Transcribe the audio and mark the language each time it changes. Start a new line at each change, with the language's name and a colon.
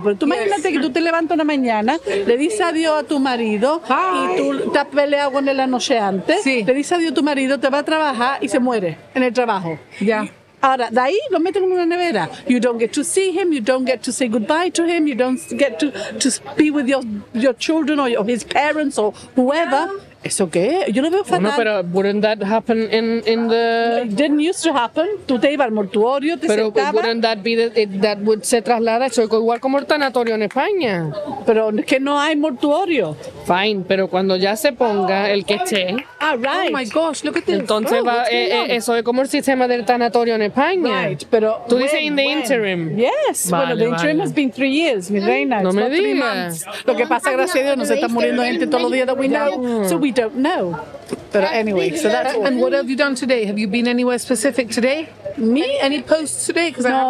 Spanish: Pero tú imagínate que tú te levantas una mañana, le dices adiós a tu marido,
English: Bye.
Spanish: Y tú te has peleado con él la noche antes, sí, le dices adiós a tu marido, te va a trabajar y se muere en el trabajo. Ya. Ahora, de ahí lo meten en una nevera.
English: You don't get to see him, you don't get to say goodbye to him, you don't get to be with your children or his parents or whoever. Yeah.
Spanish: ¿Eso qué? Yo lo veo fatal. No, pero
English: wouldn't that happen in the... It didn't used to happen.
Spanish: Tú te ibas al mortuorio, te pero sentabas. Pero
English: wouldn't that be... that would
Spanish: se traslada, eso es igual como el tanatorio en España. Pero es que no hay mortuorio. Fine, pero cuando ya se ponga el que esté...
English: Ah, right. Oh my gosh, look at this.
Spanish: Entonces oh, va, eso es como el sistema del tanatorio en España.
English: Right,
Spanish: pero tú dices
English: in the interim. Yes,
Spanish: vale, bueno,
English: the interim has been 3 years,
Spanish: mi reina. No me digas. Lo que pasa, gracias a Dios, no se está muriendo gente todos los días
English: that we know, so we don't know. But anyway, so that's all. And what have you done today? Have you been anywhere specific today? Me? Any posts today? Because